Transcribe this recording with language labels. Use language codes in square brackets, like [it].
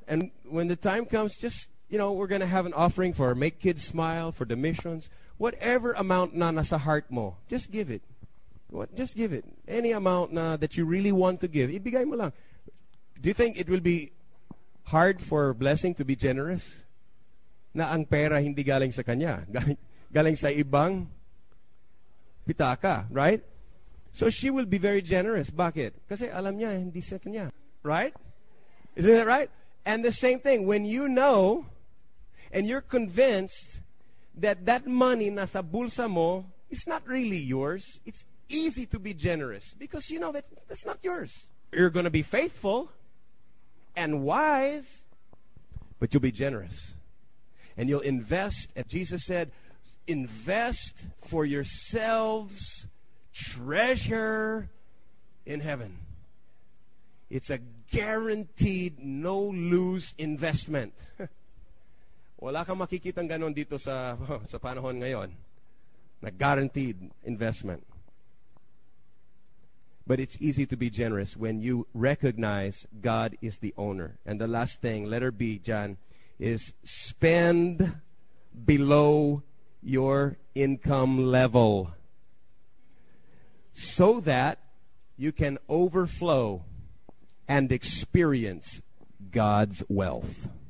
[en] And when the time comes, just, you know, we're going to have an offering for Make Kids Smile, for the missions. Whatever amount na nasa heart mo, just give it. Just give it. Any amount na that you really want to give, [tl] ibigay mo lang. [en] Do you think it will be hard for blessing to be generous? [tl] Na ang pera hindi galing sa kanya, galing sa ibang pitaka, right? [en] So she will be very generous. [tl] Bakit? Kasi alam niya hindi sa kanya, right? [en] Isn't that right? And the same thing, when you know and you're convinced that that money [tl] nasa bulsa mo, [en] it's not really yours. It's easy to be generous because you know that that's not yours. You're going to be faithful and wise, but you'll be generous. And you'll invest. And Jesus said, invest for yourselves treasure in heaven. It's a guaranteed, no lose investment. [tl] Wala kang makikitang ganon dito sa panahon ngayon. Na guaranteed investment. [en] But it's easy to be generous when you recognize God is the owner. And the last thing, letter B, John, is spend below your income level so that you can overflow and experience God's wealth.